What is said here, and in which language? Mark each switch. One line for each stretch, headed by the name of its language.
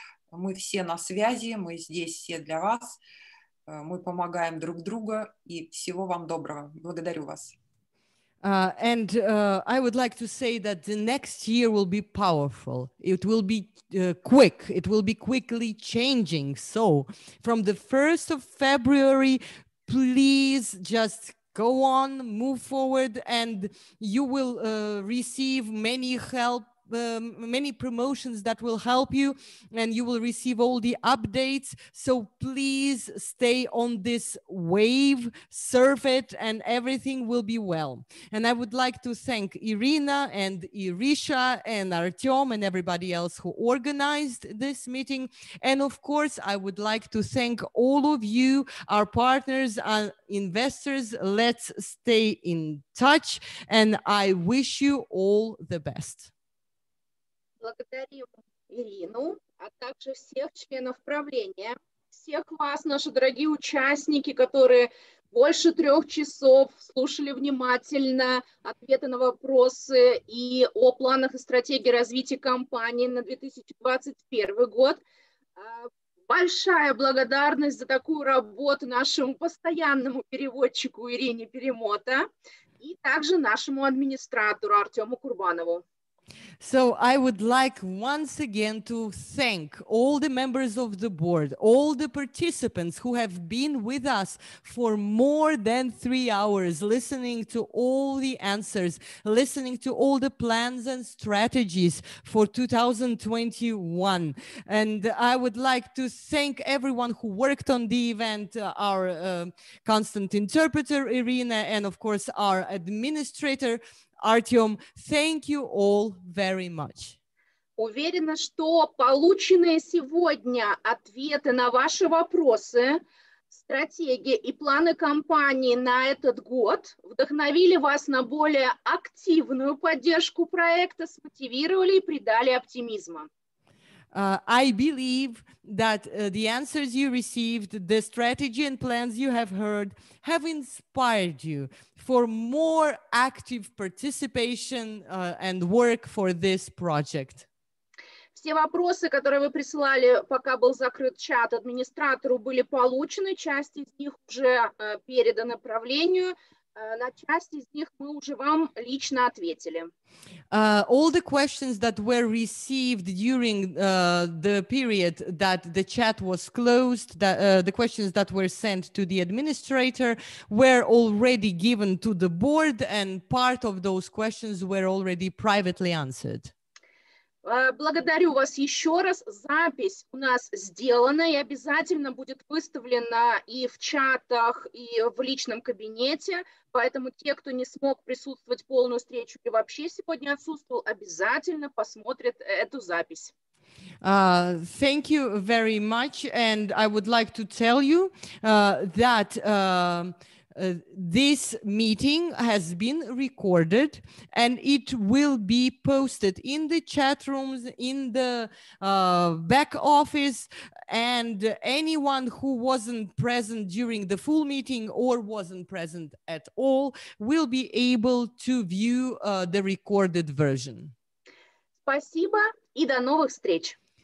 Russian: Мы все на связи, мы здесь все для вас. Мы помогаем друг другу, и всего вам доброго. Благодарю вас.
English: And I would like to say that the next year will be powerful. It will be quick. It will be quickly changing. So from the 1st of February, please just go on, move forward, and you will receive many help. Many promotions that will help you, and you will receive all the updates. So please stay on this wave, surf it, and everything will be well. And I would like to thank Irina and Irisha and Artyom and everybody else who organized this meeting. And of course, I would like to thank all of you, our partners, our investors. Let's stay in touch, and I wish you all the best.
Russian: Благодарим Ирину, а также всех членов правления, всех вас, наши дорогие участники, которые больше 3 часов слушали внимательно ответы на вопросы и о планах и стратегии развития компании на 2021 год. Большая благодарность за такую работу нашему постоянному переводчику Ирине Перемота и также нашему администратору Артему Курбанову.
English: So I would like once again to thank all the members of the board, all the participants who have been with us for more than 3 hours, listening to all the answers, listening to all the plans and strategies for 2021. And I would like to thank everyone who worked on the event, our constant interpreter, Irina, and of course, our administrator, Артём, thank you all very much.
Russian: Уверена, что полученные сегодня ответы на ваши вопросы, стратегии и планы компании на этот год вдохновили вас на более активную поддержку проекта, смотивировали и придали оптимизма.
English: I believe that the answers you received, the strategy and plans you have heard, have inspired you for more active participation and work for this project.
Russian: Все вопросы, которые вы присылали, пока был закрыт чат, администратору были получены. Часть из них уже передана правлению. На часть из них мы уже вам лично ответили.
English: All the questions that were received during the period that the chat was closed, the questions that were sent to the administrator were already given to the board, and part of those questions were already privately answered.
Russian: Благодарю вас еще раз. Запись у нас сделана и обязательно будет выставлена и в чатах, и в личном кабинете. Поэтому те, кто не смог присутствовать полную встречу и вообще сегодня отсутствовал, обязательно посмотрят эту запись.
English: Thank you very much. And I would like to tell you that... this meeting has been recorded, and it will be posted in the chat rooms, in the back office, and anyone who wasn't present during the full meeting or wasn't present at all will be able to view the recorded version.
Russian: Спасибо и до новых встреч.